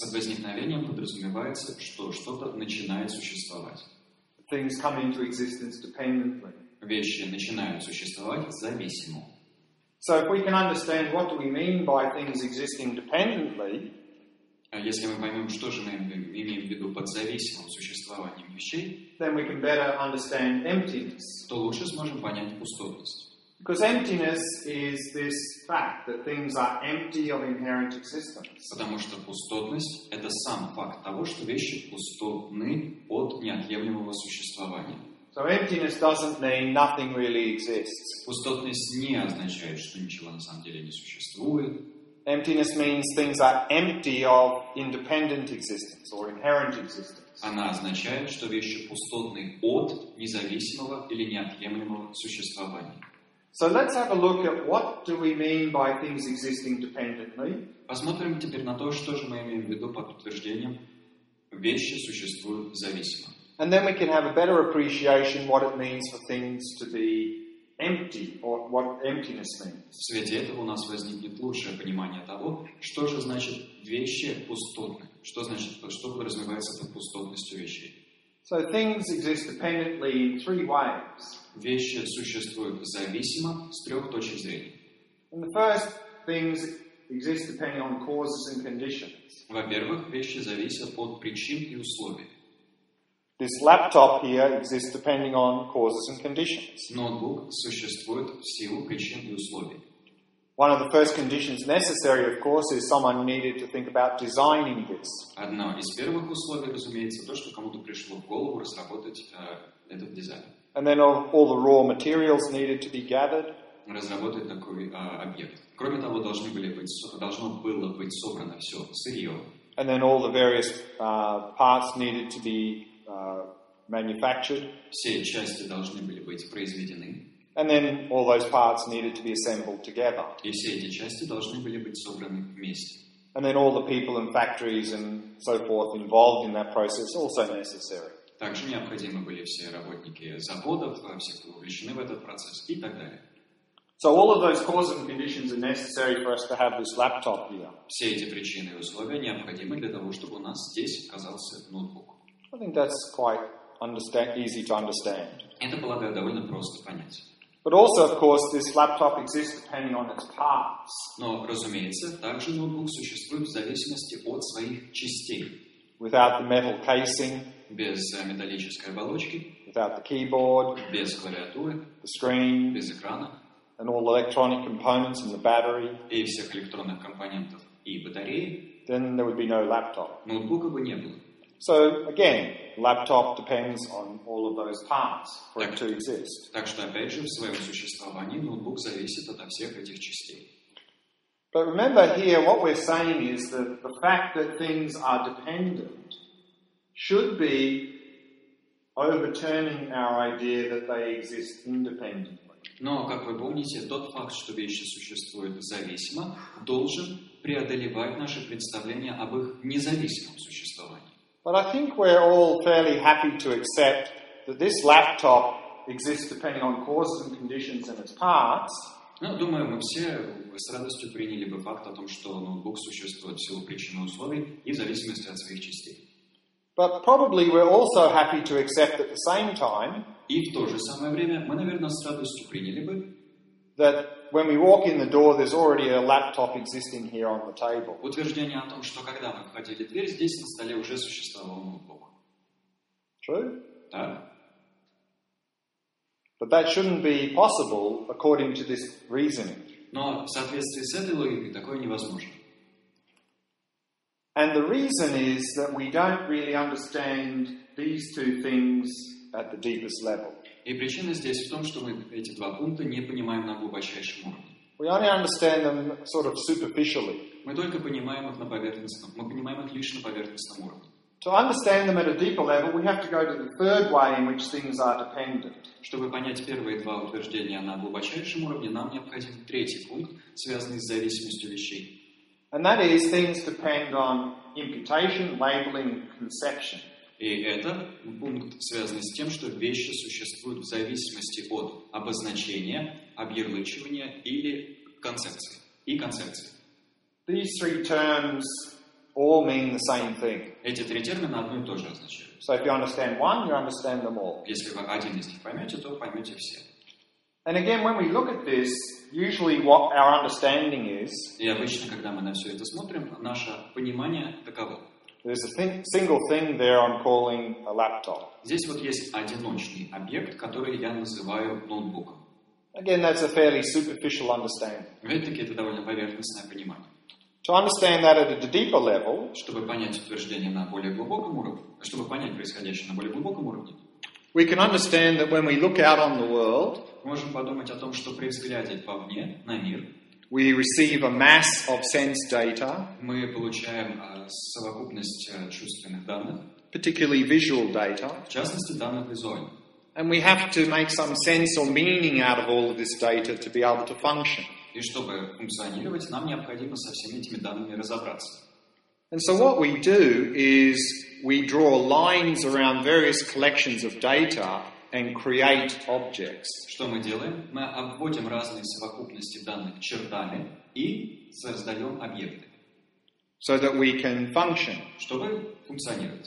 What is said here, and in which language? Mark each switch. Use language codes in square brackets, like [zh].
[ru] Под возникновением подразумевается, что что-то начинает существовать. [en] Things come into existence dependently. [ru] Вещи начинают существовать зависимо. [en] So if we can understand what do we mean by things existing dependently, [ru] если мы поймем, что же мы имеем в виду под зависимым существованием вещей, [en] then we can better understand emptiness. [ru] То лучше сможем понять пустотность. [en] Because emptiness is this fact that things are empty of inherent existence. [ru] Потому что пустотность — это сам факт того, что вещи пустотны от неотъемлемого существования. [en] So emptiness doesn't mean nothing really exists. [ru] Пустотность не означает, что ничего на самом деле не существует. [en] Emptiness means things are empty of independent existence or inherent existence. [ru] Она означает, что вещи пустотны от независимого или неотъемлемого существования. [en] So let's have a look at what do we mean by things existing dependently. [ru] Посмотрим теперь на то, что же мы имеем в виду под утверждением «вещи существуют зависимо». [en] And then we can have a better appreciation what it means for things to be empty, or what emptiness means. [ru] В свете этого у нас возникнет лучшее понимание того, что же значит вещи пустотны, что значит, что подразумевается под пустотностью вещей. [en] So things exist dependently in three ways. [ru] Вещи существуют зависимо с трех точек зрения. [en] And the first, things exist depending on causes and conditions. [ru] Во-первых, вещи зависят от причин и условий. [en] This laptop here exists depending on causes and conditions. [ru] Ноутбук существует в силу причин и условий. [en] One of the first conditions necessary, of course, is someone needed to think about designing this. [ru] Одно из первых условий, разумеется, то, что кому-то пришло в голову разработать этот дизайн. [en] And then all the raw materials needed to be gathered. [ru] Разработать такой объект. Кроме того, должно было быть собрано все сырье. [en] And then all the various parts needed to be manufactured. [ru] Все части должны были быть произведены. [en] And then all those parts needed to be assembled together. [ru] И все эти части должны были быть собраны вместе. [en] And then all the people and factories and so forth involved in that process also necessary. [ru] Также необходимы были все работники заводов, все, кто вовлечены в этот процесс, и так далее. [en] So all of those causes and conditions are necessary for us to have this laptop here. [ru] Все эти причины и условия необходимы для того, чтобы у нас здесь оказался ноутбук. [en] I think that's quite easy to understand. [ru] Это, полагаю, довольно просто понять. [en] But also, of course, this laptop exists depending on its parts. [ru] Но, разумеется, также ноутбук существует в зависимости от своих частей. [en] Without the metal casing. [ru] Без металлической оболочки. [en] Without the keyboard. [ru] Без клавиатуры. [en] The screen. [ru] Без экрана. [en] And all electronic components and the battery. [ru] И всех электронных компонентов и батареи. [en] Then there would be no laptop. [ru] Ноутбука бы не было. [en] So again, laptop depends on all of those parts for it to exist. [ru] Так что опять же в своем существовании ноутбук зависит от всех этих частей. [en] But remember here, what we're saying is that the fact that things are dependent should be overturning our idea that they exist independently. [ru] Но как вы помните, тот факт, что вещи существуют зависимо, должен преодолевать наше представление об их независимом существовании. [en] But I think we're all fairly happy to accept that this laptop exists depending on causes and conditions and its parts. [ru] Ну, думаю, мы все с радостью приняли бы факт о том, что ноутбук существует в силу причин и условий и в зависимости от своих частей. [en] But probably we're also happy to accept at the same time. [ru] И в то же самое время мы, наверное, с радостью приняли бы. [en] That when we walk in the door, there's already a laptop existing here on the table. [ru] Утверждение о том, что когда мы входили в дверь, здесь на столе уже существовал ноутбук. [en] True? [ru] Да. [en] But that shouldn't be possible according to this reasoning. [ru] Но в соответствии с этой логикой такое невозможно. [en] And the reason is that we don't really understand these two things at the deepest level. [ru] И причина здесь в том, что мы эти два пункта не понимаем на глубочайшем уровне. [en] We only understand them sort of superficially. [ru] Мы только понимаем их на поверхностном. Мы понимаем их лишь на поверхностном уровне. [en] To understand them at a deeper level, we have to go to the third way in which things are dependent. [ru] Чтобы понять первые два утверждения на глубочайшем уровне, нам необходим третий пункт, связанный с зависимостью вещей. [en] And that is things depend on imputation, labeling, conception. [ru] И это пункт, связанный с тем, что вещи существуют в зависимости от обозначения, объярлычивания или концепции. И концепции. [en] These three terms all mean the same thing. [ru] Эти три термина одно и то же означают. [en] So if you understand one, you understand them all. [ru] Если вы один из них поймете, то поймете все. [en] And again, when we look at this, usually what our understanding is... [ru] И обычно, когда мы на все это смотрим, наше понимание таково. [en] There's a single thing there I'm calling a laptop. [ru] Здесь вот есть одиночный объект, который я называю ноутбуком. [en] Again, that's a fairly superficial understanding. [ru] Опять-таки, это довольно поверхностное понимание. [en] To understand that at a deeper level, [ru] чтобы понять утверждение на более глубоком уровне, чтобы понять происходящее на более глубоком уровне, [en] we can understand that when we look out on the world, [ru] мы можем подумать о том, что при взгляде вовне на мир, [en] we receive a mass of sense data. [ru] Мы получаем совокупность чувственных данных. [en] Particularly visual data. [ru] В частности, данных визуальных. [en] And we have to make some sense or meaning out of all of this data to be able to function. [ru] И чтобы функционировать, нам необходимо со всеми этими данными разобраться. [en] And so what we do is we draw lines around various collections of data and create objects. [ru] Что мы делаем? Мы обводим разные совокупности данных чертами и создаем объекты. [en] So that we can function. [ru] Чтобы функционировать.